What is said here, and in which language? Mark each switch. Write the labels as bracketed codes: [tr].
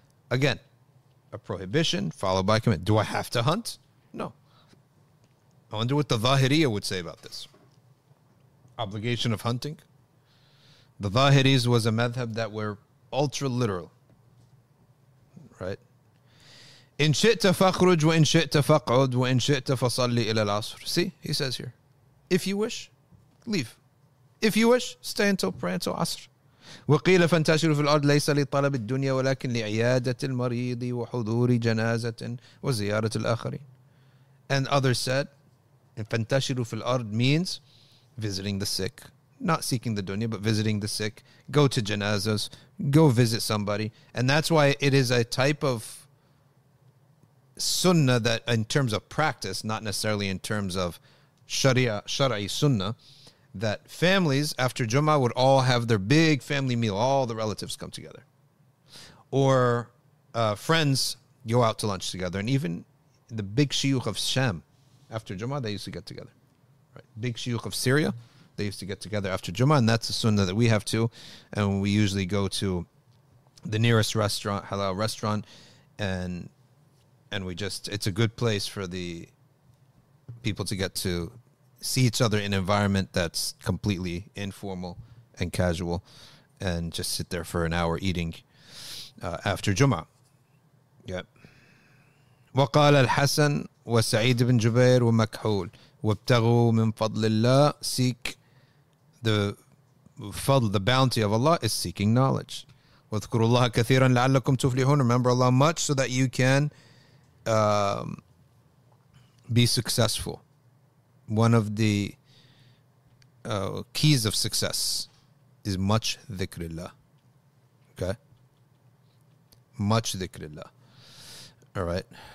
[en] Again, a prohibition followed by a command. Do I have to hunt? No. I wonder what the Zahiriyyah would say about this. Obligation of hunting. The Zahiris was a madhab that were ultra literal. Right? [ar] إن شئت فخرج وإن شئت فقعد وإن شئت فصلي إلى العصر. [en] See, he says here, if you wish, leave. If you wish, stay until prayer until عصر. [ar] وقيل فانتشر في الأرض ليس لطلب الدنيا ولكن لعيادة المريض وحضور جنازة وزيارة الآخرين. [en] And others said, [ar] فانتشر في الأرض [en] means visiting the sick, not seeking the dunya, but visiting the sick. Go to janazas, go visit somebody, and that's why it is a type of sunnah that in terms of practice, not necessarily in terms of sharia, shara'i sunnah, that families after Jummah would all have their big family meal, all the relatives come together. Or friends go out to lunch together. And even the big shiuch of Sham after Jummah, they used to get together. Right? Big shiuch of Syria, they used to get together after Jummah, and that's the sunnah that we have too. And we usually go to the nearest restaurant, halal restaurant, and we just, it's a good place for the people to get to see each other in an environment that's completely informal and casual and just sit there for an hour eating after Jummah. Yep. [ar] وقال الحسن وسعيد بن جبير ومكحول وابتغوا من فضل الله. [en] Seek the fadl, the bounty of Allah is seeking knowledge. [ar] واذكروا الله كثيرا لعلكم تفلحون. [en] Remember Allah much so that you can be successful. One of the keys of success is much dhikrillah. Okay? Much dhikrillah. All right?